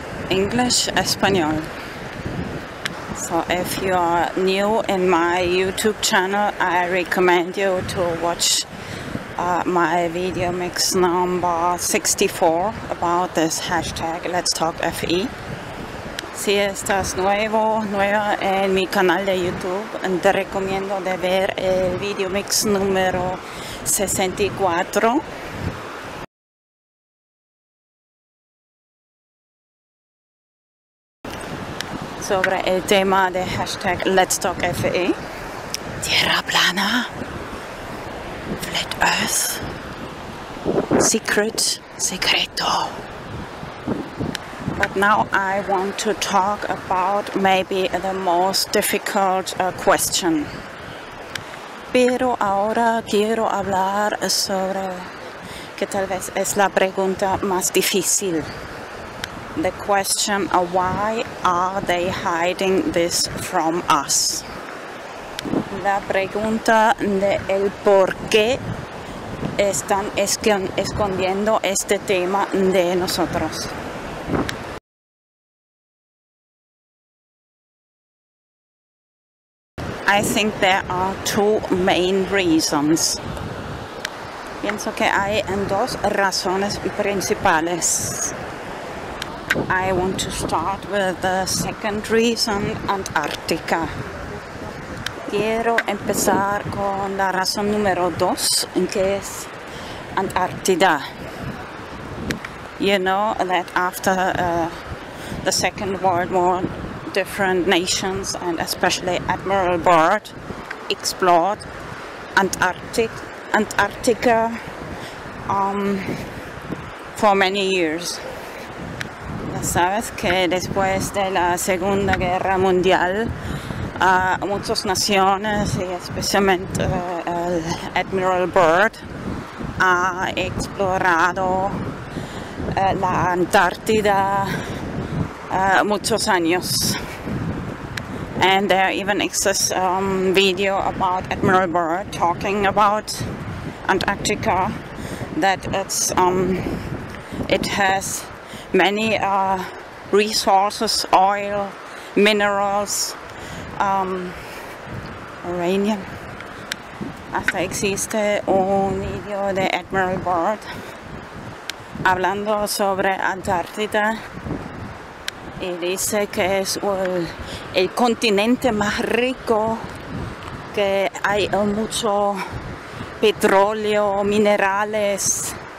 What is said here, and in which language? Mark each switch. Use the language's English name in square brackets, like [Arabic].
[English] English, Espanol. So if you are new in my YouTube channel, I recommend you to watch my video mix number 64 about this hashtag Let's Talk FE. [Spanish] Si estás nueva en mi canal de YouTube, te recomiendo de ver el video mix número 64. Sobre el tema de hashtag Let's Talk FE. Tierra plana. [English] Flat Earth, secreto. But now I want to talk about maybe the most difficult question. [Spanish] Pero ahora quiero hablar sobre que tal vez es la pregunta más difícil. [English] The question, why are they hiding this from us? [Spanish] La pregunta de el por qué están escondiendo este tema de nosotros. [English] I think there are two main reasons. [Spanish] Pienso que hay dos razones principales. [English] I want to start with the second reason, Antarctica. [Spanish] Quiero empezar con la razón número dos, que es Antártida. [English] you know, that after the Second World War, different nations, and especially Admiral Byrd, explored Antarctica for many years. [Spanish] Sabes que después de la Segunda Guerra Mundial, muchas naciones, y especialmente el Admiral Byrd, ha explorado la Antártida muchos años. [English] And there even exists a video about Admiral Byrd talking about Antarctica, that it has many resources, oil, minerals, uranium. [Spanish] Hasta existe un video de Admiral Byrd hablando sobre Antártida y dice que es el continente más rico, que hay mucho petróleo, minerales.